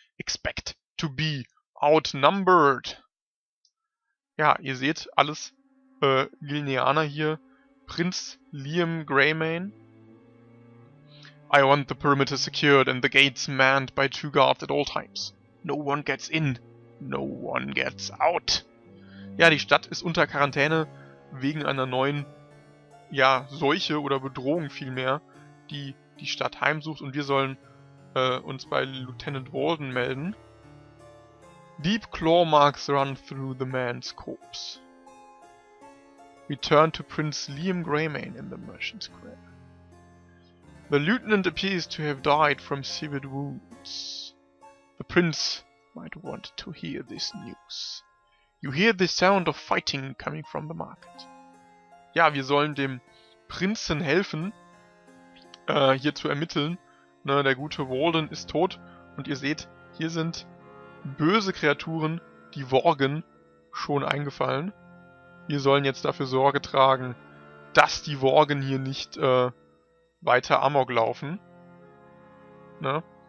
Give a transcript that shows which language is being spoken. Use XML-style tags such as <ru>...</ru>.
<en>Expect to be outnumbered.</en> <de>Ja, ihr seht, alles Gilneaner hier.</de> <en>Prinz Liam Greymane. I want the perimeter secured and the gates manned by two guards at all times. No one gets in. No one gets out.</en> <de>Ja, die Stadt ist unter Quarantäne wegen einer neuen, ja, Seuche oder Bedrohung vielmehr, die die Stadt heimsucht. Und wir sollen uns bei Lieutenant Walden melden.</de> <en>Deep claw marks run through the man's corpse. Return to Prince Liam Greymane in the Merchant Square. The lieutenant appears to have died from severed wounds. The prince might want to hear this news. You hear the sound of fighting coming from the market.</en> <de>Ja, wir sollen dem Prinzen helfen, hier zu ermitteln. Ne, der gute Walden ist tot und ihr seht, hier sind böse Kreaturen, die Worgen, schon eingefallen. Wir sollen jetzt dafür Sorge tragen, dass die Worgen hier nicht weiter Amok laufen. Ne?</de>